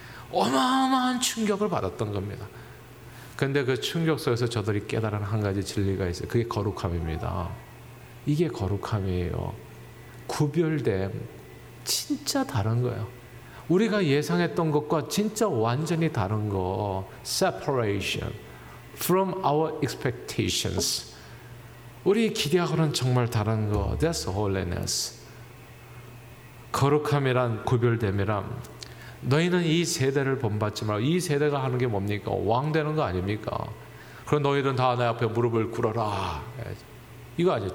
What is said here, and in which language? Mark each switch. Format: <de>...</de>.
<ko>어마어마한 충격을 받았던 겁니다. 그런데 그 충격 속에서 저들이 깨달은 한 가지 진리가 있어요. 그게 거룩함입니다. 이게 거룩함이에요. 구별됨. 진짜 다른 거예요. 우리가 예상했던 것과 진짜 완전히 다른 거.</ko> <en>Separation from our expectations.</en> <ko>우리의 기대하고는 정말 다른 거.</ko> <en>That's holiness.</en> <ko>거룩함이란 구별됨이란 너희는 이 세대를 본받지 말고 이 세대가 하는 게 뭡니까? 왕 되는 거 아닙니까? 그럼 너희는 다 내 앞에 무릎을 꿇어라. 이거 아니에요.</ko>